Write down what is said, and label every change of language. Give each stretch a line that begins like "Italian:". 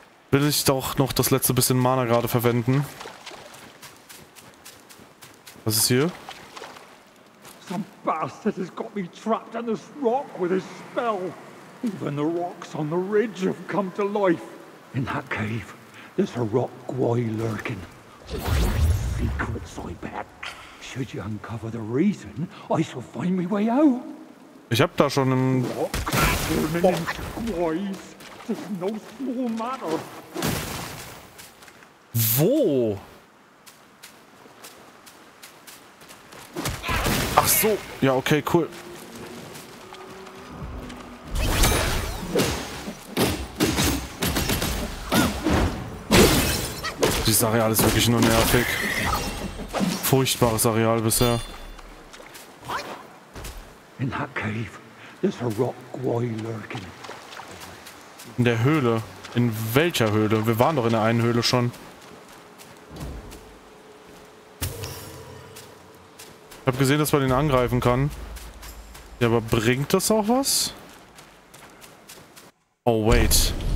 German: Will ich doch noch das letzte bisschen Mana gerade verwenden. Was ist hier?
English: Some bastard has got me trapped on this rock with his spell. Even the rocks on the ridge have come to life. In that cave, there's a rock guy lurking. What secrets I bet. Should you uncover the reason, I shall find my way out.
German: Ich hab da schon einen
English: Rocks turning into guys. It's no small matter.
German: Wo? Ach so, ja, okay, cool. Dieses Areal ist wirklich nur nervig. Furchtbares Areal bisher.
English: In that cave, there's a rock guy lurking.
German: In der Höhle? In welcher Höhle? Wir waren doch in der einen Höhle schon. Ich hab gesehen, dass man den angreifen kann. Ja, aber bringt das auch was?
English: Oh, wait.